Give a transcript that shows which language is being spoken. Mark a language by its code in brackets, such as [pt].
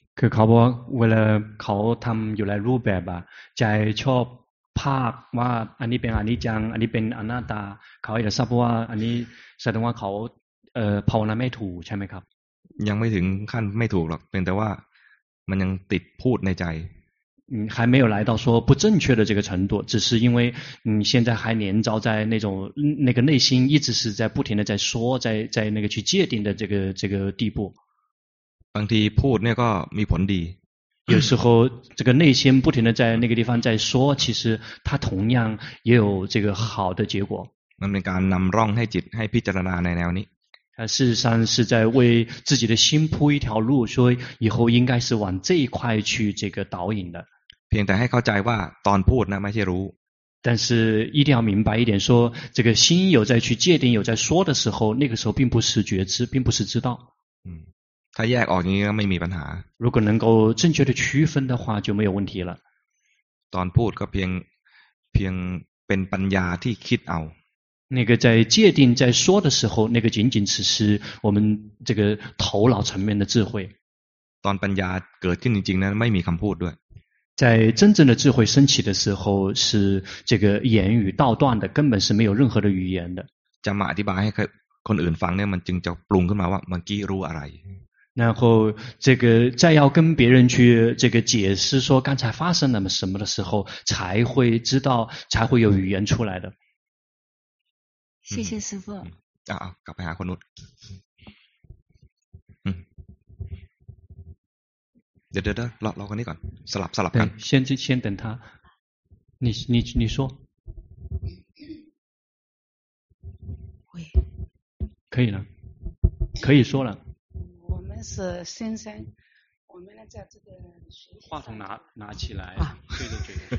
[th] คือเขาบอกเวลาเขาทำอยู่ในรูปแบบอะใจชอบภาคว่าอันนี้เป็นอันนี้จังอันนี้เป็นอนัตตาเขาอยากทราบว่าอันนี้แสดงว่าเขาภาวนาไม่ถูกใช่ไหมครับ ยังไม่ถึงขั้นไม่ถูกหรอกเป็นแต่ว่ามันยังติดพูดในใจ [zh] 还没有来到说不正确的这个程度只是因为现在还黏着在那种那个内心一直是在不停的在说在那个去界定的这个地步 [th] บางทีพูดเนี่ยก็มีผลดี [zh] 有时候这个内心不停的在那个地方在说其实它同样也有这个好的结果 [th] มันเป็นการนำร่องให้จิตให้พิจารณาในแนวนี้ [zh] 事实上是在为自己的心铺一条路说以后应该是往这一块去这个导引的 [th] เพียงแต่ให้เข้าใจว่าตอนพูดนะไม่ใช่รู้ [zh] 但是一定要明白一点说这个心有在去界定有在说的时候那个时候并不是觉知并不是知道 [th] ถ้าแยกออกนี้ก็ไม่มีปัญหา [zh] 如果能够正确的区分的话就没有问题了 [th] ตอนพูดก็เพียงเป็นปัญญาที่คิดเอา [zh] 那个在界定在说的时候那个仅仅只是我们这个头脑层面的智慧 [th] ตอนปัญญาเกิดขึ้นจริงๆนั้นไม่มีคำพูดด้วย [zh] 在真正的智慧升起的时候是这个言语道断的根本是没有任何的语言的 [th] จะมาอธิบายให้คนอื่นฟังเนี่ยมันจึงจะปรุงขึ้นมาว่าเมื่อกี้รู้อะไร [zh] 然后这个再要跟别人去这个解释说刚才发生了什么的时候才会知道才会有语言出来的谢谢师父 [th] กลับไปหาคนนู้นเดี๋ยวรอคนนี้ก่อนสลับกัน [zh] 先等他你说可以了可以说了是先生，我们呢在这个话筒拿起来，对